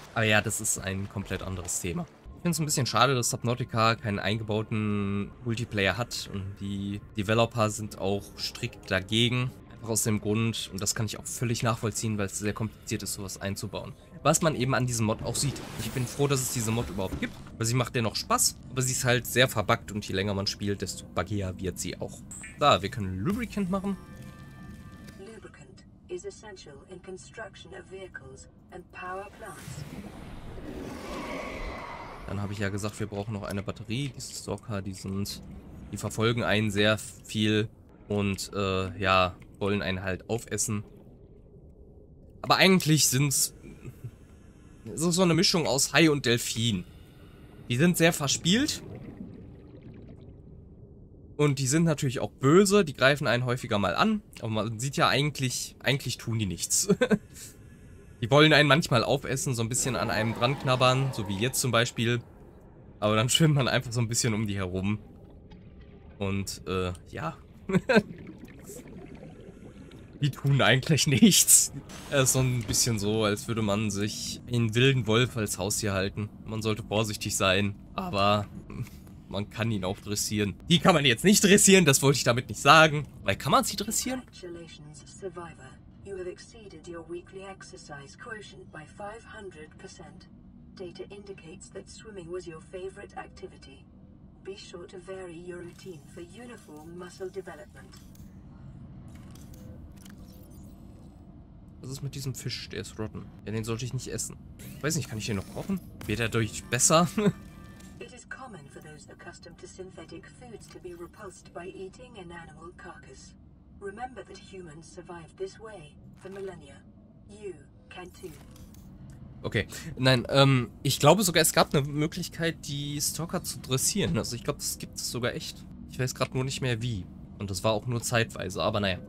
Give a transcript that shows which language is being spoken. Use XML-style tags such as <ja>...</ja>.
<de>Aber ja, das ist ein komplett anderes Thema. Ich finde es ein bisschen schade, dass Subnautica keinen eingebauten Multiplayer hat und die Developer sind auch strikt dagegen. Einfach aus dem Grund, und das kann ich auch völlig nachvollziehen, weil es sehr kompliziert ist, sowas einzubauen. Was man eben an diesem Mod auch sieht. Ich bin froh, dass es diese Mod überhaupt gibt, weil sie macht dennoch Spaß, aber sie ist halt sehr verbuggt und je länger man spielt, desto buggier wird sie auch. Da, wir können Lubricant machen.</de> <en>Lubricant is essential in construction of vehicles and power plants.</en> <de>Dann habe ich ja gesagt, wir brauchen noch eine Batterie. Diese Stalker, die verfolgen einen sehr viel und wollen einen halt aufessen. Aber eigentlich sind es so eine Mischung aus Hai und Delfin. Die sind sehr verspielt. Und die sind natürlich auch böse. Die greifen einen häufiger mal an. Aber man sieht ja eigentlich tun die nichts. Die wollen einen manchmal aufessen, so ein bisschen an einem dran knabbern, so wie jetzt zum Beispiel. Aber dann schwimmt man einfach so ein bisschen um die herum. Und, ja. Die tun eigentlich nichts. Er ist so ein bisschen so, als würde man sich einen wilden Wolf als Haustier halten. Man sollte vorsichtig sein, aber man kann ihn auch dressieren. Die kann man jetzt nicht dressieren, das wollte ich damit nicht sagen. Weil kann man sie dressieren?</de> <en>Congratulations, Survivor. You have exceeded your weekly exercise quotient by 500%. Data indicates that swimming was your favorite activity. Be sure to vary your routine for uniform muscle development.</en> <de>Was ist mit diesem Fisch? Der ist rotten. Ja, den sollte ich nicht essen. Ich weiß nicht, kann ich den noch kochen? Wird er dadurch besser?</de> <en>It is common for those accustomed to synthetic foods to be repulsed by eating an animal carcass. Remember that humans survived this way for millennia. You can too. Okay.</en> <de>Nein, ich glaube sogar, es gab eine Möglichkeit, die Stalker zu dressieren. Also ich glaube, das gibt es sogar echt. Ich weiß gerade nur nicht mehr wie. Und das war auch nur zeitweise, aber naja.</de>